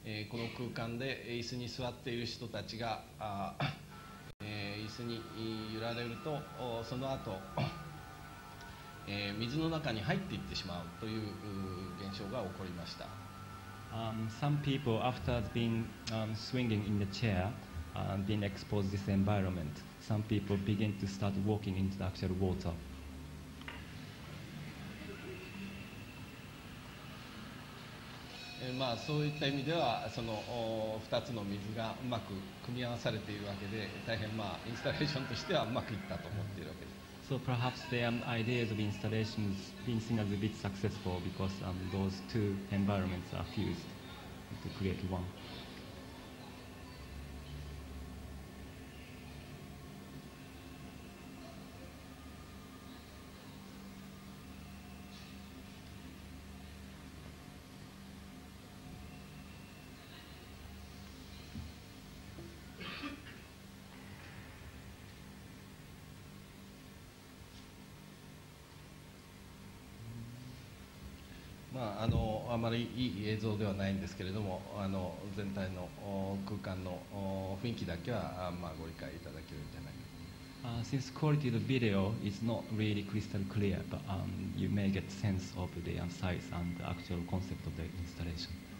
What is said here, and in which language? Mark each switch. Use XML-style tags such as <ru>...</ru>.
<ja>この空間で椅子に座っている人たちが椅子に揺られるとその後水の中に入っていってしまうという現象が起こりました。</ja> <en>Some people, after being swinging in the chair and being exposed to this environment, some people begin to start walking into the actual water.</en> <ja>まあそういった意味ではその2つの水がうまく組み合わされているわけで、大変まあインスタレーションとしてはうまくいったと思っているわけです。</ja> <en>So perhaps the ideas of installations been seen as a bit successful because those two environments are fused to create one. ま</en> <ja>あまりいい映像ではないんですけれども、全体の空間の雰囲気だけは、まあ、ご理解いただけるんじゃないかと。</ja> <en>Since quality of the video is not really crystal clear, but you may get sense of the size and the actual concept of the installation.</en>